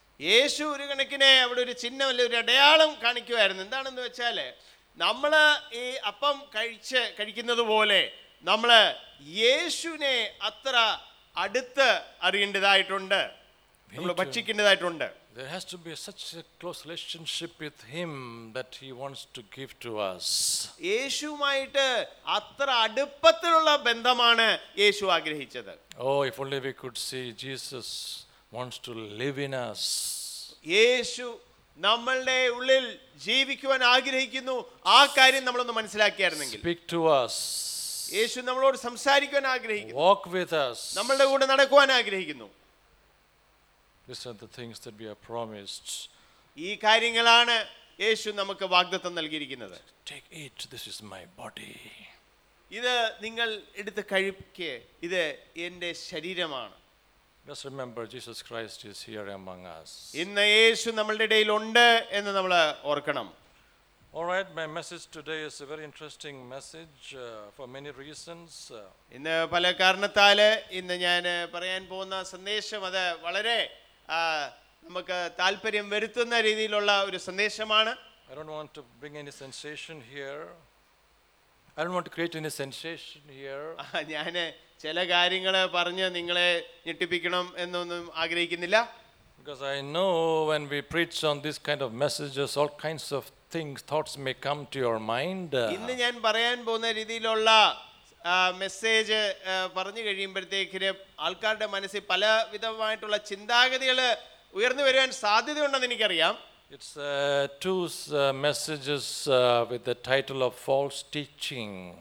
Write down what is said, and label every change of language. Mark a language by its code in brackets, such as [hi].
[ml] യേശു ഒരു കണക്കിനെ അവിടെ ഒരു ചിഹ്നം അല്ലെ ഒരു അടയാളം കാണിക്കുവായിരുന്നു. എന്താണെന്ന് വെച്ചാല്, നമ്മള് ഈ അപ്പം കഴിക്കുന്നത് പോലെ നമ്മള് യേശുവിനെ അത്ര അടുത്ത് അറിയേണ്ടതായിട്ടുണ്ട്, നമ്മള് ഭക്ഷിക്കേണ്ടതായിട്ടുണ്ട്. [en] There has to be such a close relationship with him that he wants to give to us. [ml] യേശുമായിട്ട് അത്ര അടുപ്പത്തിലുള്ള ബന്ധമാണ് യേശു ആഗ്രഹിച്ചത്. [en] Oh, if only we could see Jesus wants to live in us. [ml] യേശു നമ്മളുടെ ഉള്ളിൽ ജീവിക്കുവാൻ ആഗ്രഹിക്കുന്നു. ആ കാര്യം നമ്മൾ ഒന്ന് മനസ്സിലാക്കിയായിരുന്നെങ്കിൽ. [en] Speak to us. [ml] യേശു നമ്മളോട് സംസാരിക്കാൻ ആഗ്രഹിക്കുന്നു. [en] Walk with us. [ml] നമ്മളുടെ കൂടെ നടക്കുവാൻ ആഗ്രഹിക്കുന്നു. [en] These are the things that we are promised. [ml] ഈ കാര്യങ്ങളാണ് യേശു നമുക്ക് വാഗ്ദത്തം നൽകിയിരിക്കുന്നത്. [en] Take it, this is my body. [ml] ഇത് നിങ്ങൾ എടുത്ത് കഴിക്കുക, ഇത് എൻ്റെ ശരീരമാണ്. [en] Just remember, Jesus Christ is here among us. [ml] ഇന്ന് യേശു നമ്മുടെ ഇടയിൽ ഉണ്ട് എന്ന് നമ്മൾ ഓർക്കണം. [en] All right, my message today is a very interesting message for many reasons. [ml] ഇന്ന് പല കാരണത്താലെ ഇന്ന് ഞാൻ പറയാൻ പോകുന്ന സന്ദേശം അത് വളരെ നമുക്ക് താല്പര്യം വരുത്തുന്ന രീതിയിലുള്ള ഒരു സന്ദേശമാണ്. [en] I don't want to bring any sensation here. I don't want to create any sensation here. [ml] ഞാൻ ചില കാര്യങ്ങൾ പറഞ്ഞു നിങ്ങളെ ഞെട്ടിപ്പിക്കണം എന്നൊന്നും ആഗ്രഹിക്കുന്നില്ല. [en] Because I know when we preach on this kind of messages, all kinds of things, thoughts may come to your mind. [ml] ഇന്ന് ഞാൻ പറയാൻ പോകുന്ന രീതിയിലുള്ള മെസ്സേജ് പറഞ്ഞു കഴിയുമ്പോഴത്തേക്കിന് ആൾക്കാരുടെ മനസ്സിൽ പല വിധമായിട്ടുള്ള ചിന്താഗതികൾ ഉയർന്നു വരുവാൻ സാധ്യതയുണ്ടെന്ന് എനിക്കറിയാം. [en] It's two messages with the title of false teaching.